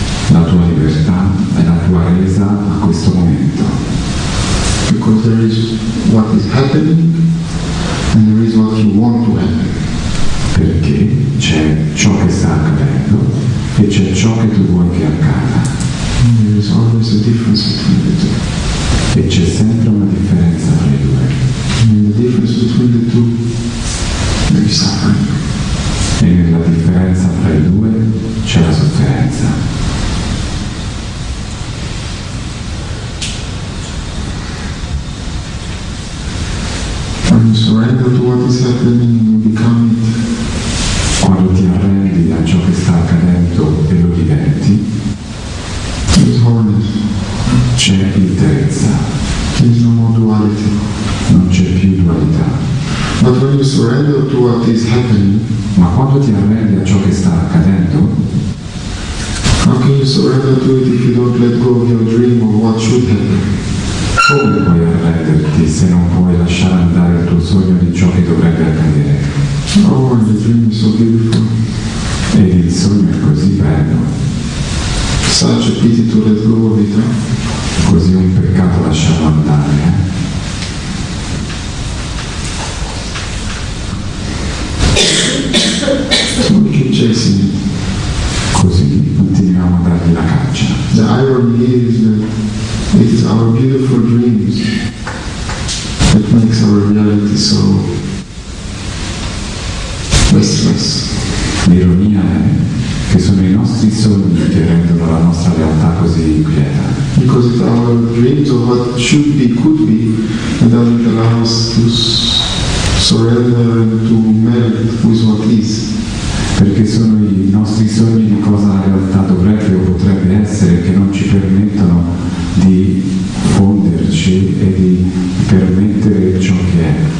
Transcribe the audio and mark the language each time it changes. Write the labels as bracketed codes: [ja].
[it] La tua libertà è la tua resa a questo momento. [en] Because there is what is happening and there is what you want to happen. [it] Perché c'è ciò che sta accadendo e c'è ciò che tu vuoi che accada. [en] And there is always a difference between the two. [it] E c'è sempre una differenza tra i due. [en] And the difference between the two, there is suffering. [it] E nella differenza tra i due c'è la sofferenza. [en] When you surrender to what is happening, you become it. [it] Quando ti arrendi a ciò che sta accadendo e lo diventi, c'è interezza. [en] There is no more duality. [it] Non c'è più dualità. [en] But when you surrender to what is happening, [it] ma quando ti arrendi a ciò che sta accadendo, [en] how can you surrender to it if you don't let go of your dream of what should happen? [it] Come puoi arrenderti se non puoi lasciare andare il tuo sogno di ciò che dovrebbe accadere? [en] Oh, and the dream is so beautiful. [it] Ed il sogno è così bello. [en] Such a pity to let go of it, eh? [it] Così un peccato lasciarlo andare, eh? [en] So we keep chasing it. [it] Così continuiamo a dargli la caccia. [en] The irony is that it is our beautiful dreams that makes our reality so restless. [it] L'ironia è che sono i nostri sogni che rendono la nostra realtà così inquieta. [en] Because it's our dreams of what should be, could be, that doesn't allow us to surrender and to melt with what is. [it] Perché sono i nostri sogni di cosa la realtà dovrebbe o potrebbe essere che non ci permettono di fonderci e di permettere ciò che è.